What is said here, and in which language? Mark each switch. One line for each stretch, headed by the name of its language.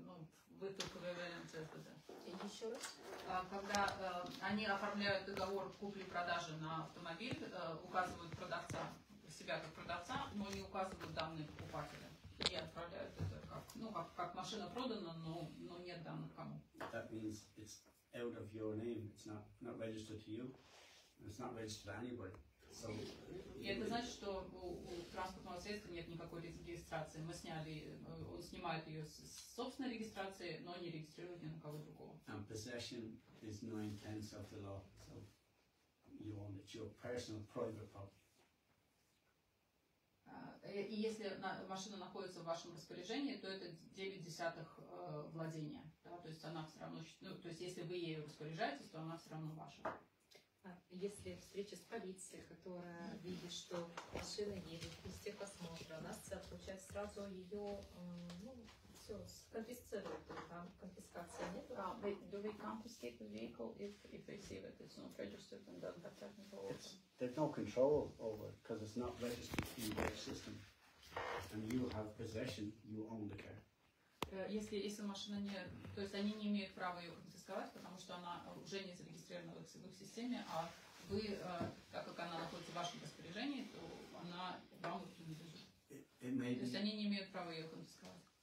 Russian: Ну, вы только выявляете это. Да. Еще раз. Когда они оформляют договор купли-продажи на автомобиль, указывают продавца, себя как продавца, но не указывают данные покупателя. И отправляют это как машина продана, но нет данных кому.
English: That means it's out of your name, it's not registered to you, it's not registered to anybody.
Russian: И это значит, что у транспортного средства нет никакой регистрации. Мы сняли, он снимает ее с собственной регистрации, но не регистрирует ни на кого другого.
English: And possession is 9/10 of the law, so you own it, your personal private property.
Russian: И если машина находится в вашем распоряжении, то это 9/10 владения. Да? То есть она все равно, то есть если вы ею распоряжаетесь, то она все равно ваша. Если встреча с полицией, которая видит, что машина едет без техосмотра, она получает сразу ее, все, конфисцирует, там конфискации нет.
English: Do they confiscate the vehicle if they see that it's not registered and doesn't have technical order? They have no control over it because it's not registered in their system. And you have possession, you own the car.
Russian: Если машина не... То есть они не имеют права ее конфисковать, потому что она уже не зарегистрирована в их системе, а вы, так как она находится в вашем распоряжении, то она вам ее принадлежит. То есть они не имеют права ее конфисковать.